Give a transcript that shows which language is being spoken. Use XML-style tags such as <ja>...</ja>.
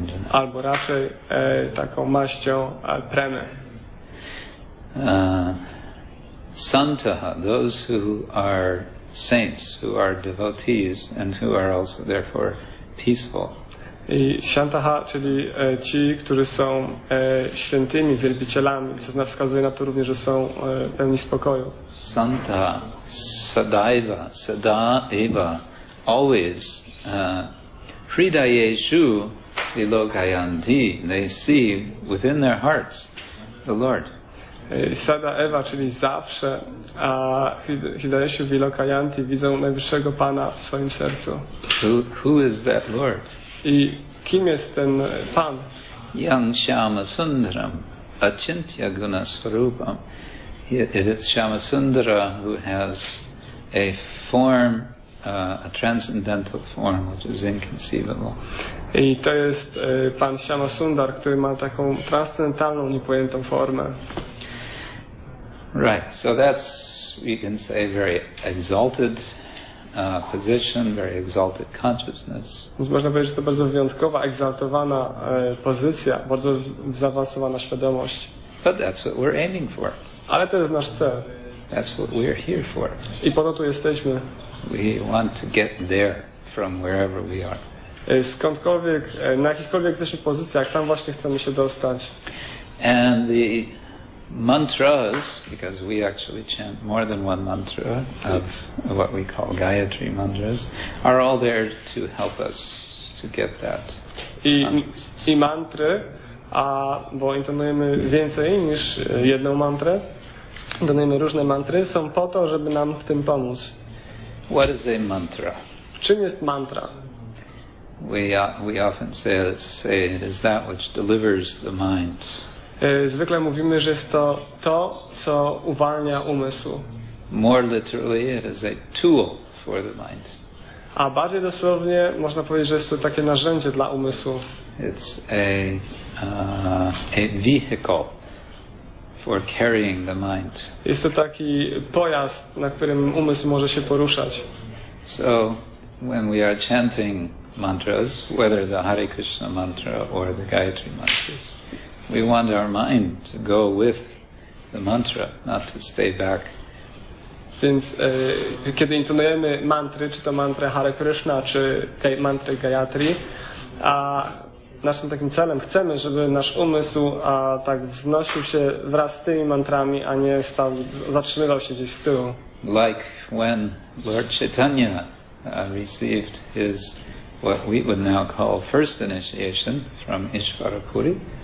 <pl>Albo raczej taką maścią premy.</pl> <en>Santaha, those who are saints, who are devotees and who are also therefore peaceful.</en> <pl>I Santaha, czyli ci, którzy są świętymi wielbicielami, co wskazuje na to również, że są pełni spokoju.</pl> <sa>Santa, sadaiva, sada eva,</sa> <en>always</en> <sa>Pridayeshu vilokayanti,</sa> <en>they see within their hearts the Lord.</en> <sa>Sada Eva,</sa> <pl>czyli zawsze, a</pl> <sa>Hridayeshu vilokayanti,</sa> <pl>widzą Najwyższego Pana w swoim sercu.</pl> <en>Who is that Lord?</en> <pl>I kim jest ten Pan?</pl> <sa>Yam Shyama Sundaram, Achintya Guna Swarupam.</sa> <en>It is Shyama Sundara who has a form, a transcendental form, which is inconceivable.</en> <pl>I to jest Pan Shyama Sundar, który ma taką transcendentalną, niepojętą formę.</pl> <en>Right, so that's, you can say, very exalted position, very exalted consciousness.</en> <pl>Więc można powiedzieć, że to bardzo wyjątkowa, egzaltowana pozycja, bardzo zaawansowana świadomość.</pl> <en>But that's what we're aiming for.</en> <pl>Ale to jest nasz cel.</pl> <en>That's what we're here for.</en> <pl>I po to tu jesteśmy.</pl> <en>We want to get there from wherever we are.</en> <pl>Skądkolwiek, na jakichkolwiek jesteśmy pozycjach, tam właśnie chcemy się dostać.</pl> <en>And the mantras, because we actually chant more than one mantra of what we call Gayatri mantras, are all there to help us to get that.</en> <pl>I mantry, bo intonujemy więcej niż jedną mantrę, intonujemy różne mantry, są po to, żeby nam w tym pomóc.</pl> <en>What is a mantra?</en> <pl>Czym jest mantra?</pl> <en>we often say it is that which delivers the mind.</en> <pl>Zwykle mówimy, że jest to, co uwalnia umysł.</pl> <en>More literally, it is a tool for the mind.</en> <pl>A bardziej dosłownie można powiedzieć, że jest to takie narzędzie dla umysłu.</pl> <en>It's a vehicle for carrying the mind.</en> <pl>Jest to taki pojazd, na którym umysł może się poruszać.</pl> <en>So when we are chanting mantras, whether the Hare Krishna mantra or the Gayatri mantras, we want our mind to go with the mantra, not to stay back.</en> <pl>Więc kiedy intonujemy mantry, czy to mantrę Hare Krishna, czy tej mantry Gayatri, a naszym takim celem chcemy, żeby nasz umysł tak wznosił się wraz z tymi mantrami, a nie stał, zatrzymywał się gdzieś z tyłu.</pl> <en>Like when Lord Chaitanya received his, what we would now call first initiation from Ishvara Puri.</en>